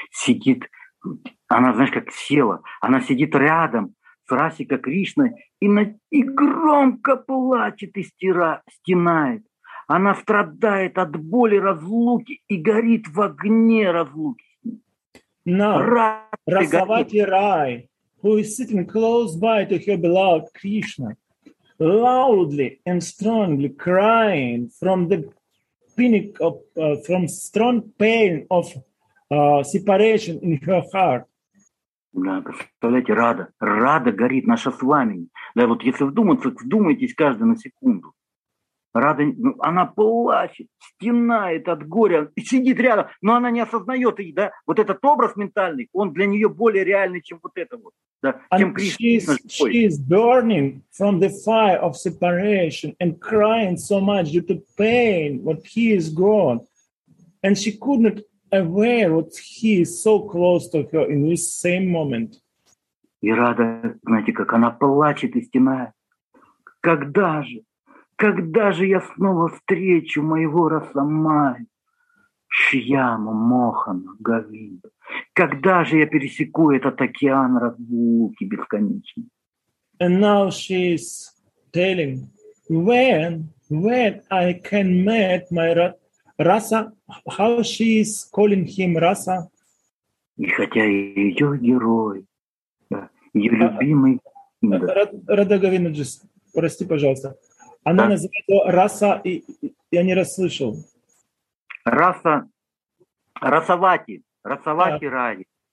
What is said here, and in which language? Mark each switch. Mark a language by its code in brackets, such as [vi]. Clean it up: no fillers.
[ru] Сидит, она, знаешь, как села, она сидит рядом с Расика Кришной и громко плачет и стенает. Она страдает от боли разлуки и горит в огне разлуки. [en] Расавати Рай, who is sitting close by to her beloved Krishna, loudly and strongly crying from the pinnacle of, from strong pain of separation in her heart. [ru] Да, представляете, Рада горит, наша с вами. Да, вот если вдумайтесь каждый на секунду. Рада, ну, она плачет, стенает от горя, сидит рядом, но она не осознает, да, вот этот образ ментальный, он для нее более реальный, чем вот это вот. [en] And she is burning from the fire of separation and crying so much due to pain what he is gone. And she could not aware what he is so close to her in this same moment. [ru] И Рада, знаете, как она плачет и стенает. Когда же я снова встречу моего Расамай, Шьяму, Мохану, Говинду? Когда же я пересеку этот океан разлуки бесконечной? [en] And now she is telling, when I can meet my Rasa, how she is calling him Rasa? [ru] И хотя ее герой, ее любимый... Радха Говиндаджи, прости, пожалуйста. Она называет его Раса, и я не расслышал. Раса, Расавати. Расавати Рай.